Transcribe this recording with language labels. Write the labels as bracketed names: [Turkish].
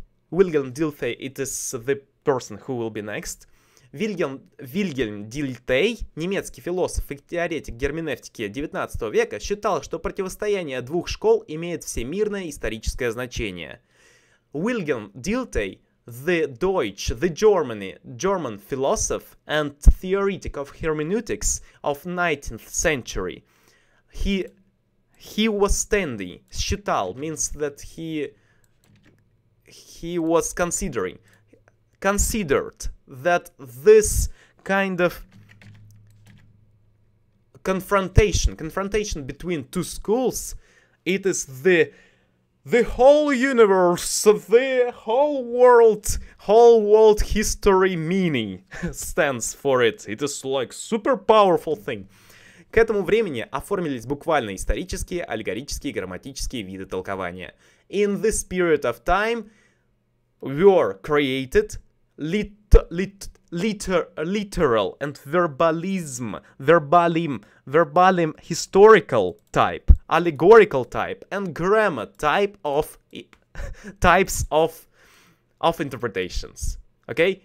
[English] Wilhelm Dilthey, it is the person who will be next. [Russian] Вильгельм Дильтей, немецкий философ и теоретик герменевтики 19 века, считал, что противостояние двух школ имеет всемирное историческое значение. [English] Wilhelm Dilthey, the German philosopher and theoretic of hermeneutics of 19th century, he was standing, [Russian] считал, [English] means that he was considered that this kind of confrontation between two schools, it is the the whole universe, the whole world history mini stands for it. It is like super powerful thing. [Russian] К этому времени оформились буквально исторические, аллегорические, грамматические виды толкования. [English] In this period of time were created literal and verbalism historical type, allegorical type and grammar type of types of interpretations. Okay?